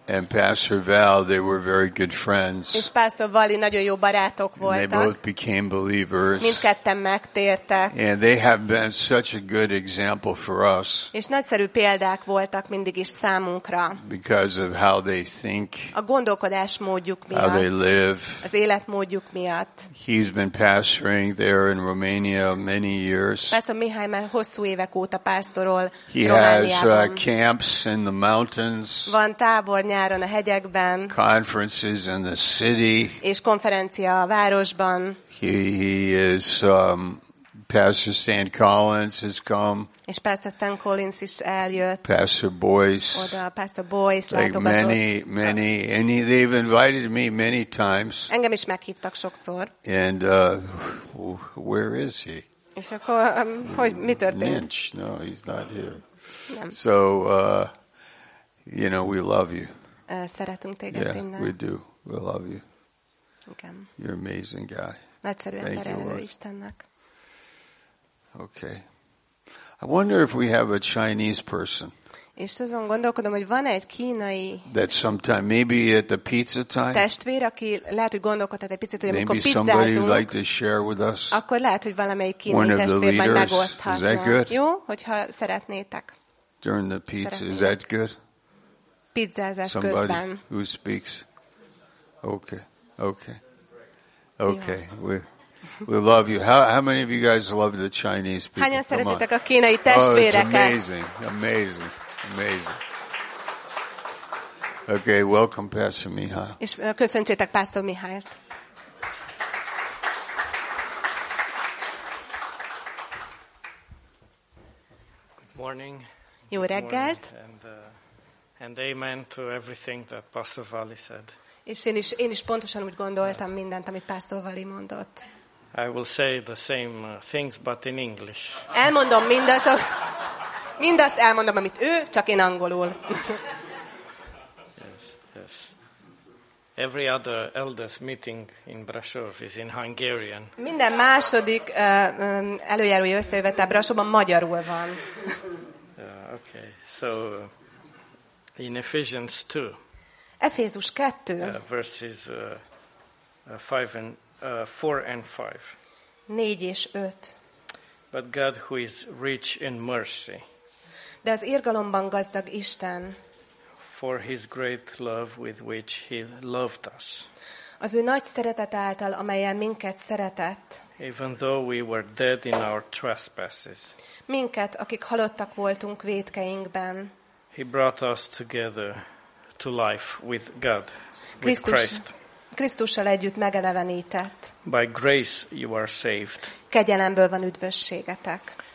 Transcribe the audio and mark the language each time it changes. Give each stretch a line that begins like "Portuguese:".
English: And Pastor Val, they were very good friends.
Hungarian: És Pastor Vali nagyon jó barátok voltak.
English: They both became believers.
Hungarian: Mindketten megtértek.
English: And they have been such a good example for us.
Hungarian: És nagyszerű példák voltak mindig is számunkra.
English: Because of how they think.
Hungarian: A gondolkodásmódjuk miatt.
English: How they live.
Hungarian: Az életmódjuk miatt.
English: He's been pastoring there in Romania many years.
Hungarian: Pastor Mihály már hosszú évek óta pásztorol
English: Romániában. He has camps in the mountains.
Hungarian: Van tábor nyáron a hegyekben.
English: Conferences in the city.
Hungarian: És konferencia a városban.
English: He is Pastor Stan Collins has come.
Hungarian: És Pastor Stan Collins is eljött.
English: Pastor Boyce.
Hungarian: Oda Pastor Boyce látogatott.
English: Like many, and they've invited me many times.
Hungarian: Engem is meghívtak sokszor.
English: And where is he?
Hungarian: És akkor hogy mi történt?
English: Mensch, no, he's not here.
Hungarian: Nem.
English: So. You know, we love you.
Hungarian: Szeretünk téged,
English: yeah,
Hungarian: innen.
English: We do. We love you.
Hungarian: Igen.
English: You're an amazing guy.
Hungarian: Nagyszerű ember, elő Istennek.
English: Okay. I wonder if we have a Chinese person.
Hungarian: És azon gondolkodom, hogy van egy kínai.
English: That sometime, maybe at the pizza time.
Hungarian: Testvér, aki lehet, hogy gondolkodhat egy picit, hogy
English: maybe
Hungarian: amikor pizzázunk.
English: Maybe somebody would like to share with us.
Hungarian: Akkor lehet, hogy valamelyik kínai testvér
English: of the leaders,
Hungarian: majd megoszthatna.
English: Is that good?
Hungarian: Jó, hogyha szeretnétek.
English: During the pizza, is that good?
Hungarian: Pizzázás
English: somebody
Hungarian: közben.
English: Who speaks? Okay. We love you. How many of you guys love the Chinese people?
Hungarian: Hányan szeretitek a kínai testvéreket?
English: Oh, it's amazing. Okay, welcome Pastor Mihály.
Hungarian: És köszöntsétek Pastor Mihályt.
English: Good morning.
Hungarian: Jó reggelt.
English: And amen to everything that Pastor Vali said.
Hungarian: És én is pontosan úgy gondoltam mindent, amit Pastor Vali mondott.
English: I will say the same things, but in English.
Hungarian: Elmondom mindazt elmondom, amit ő, csak én angolul.
English: Yes. Every other elders meeting in Brasov is in Hungarian.
Hungarian: Minden második előjárói összejövetel Brasovban magyarul van.
English: Okay, so. In Ephesians 2.
Hungarian: Efézus 2.
English: Verses 4 and 5.
Hungarian: 4 és 5.
English: But God, who is rich in mercy.
Hungarian: De az irgalomban gazdag Isten.
English: For his great love with which he loved us.
Hungarian: Az ő nagy szeretet által, amelyen minket szeretett.
English: Even though we were dead in our trespasses.
Hungarian: Minket, akik halottak voltunk vétkeinkben.
English: He brought us together to life with God, with Christ.
Hungarian: Krisztussal együtt megelevenített.
English: By grace you are saved.
Hungarian: Kegyelemből van üdvösségetek.